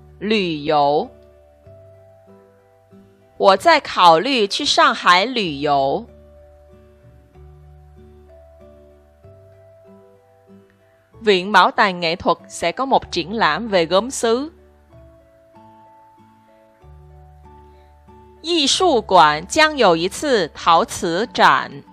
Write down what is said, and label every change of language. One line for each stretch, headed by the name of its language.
Chinese: 旅游 我在考虑去上海旅游.
Vietnamese: Viện Bảo tàng Nghệ thuật sẽ có một triển lãm về gốm sứ.
Chinese: 艺术馆将有一次陶瓷展.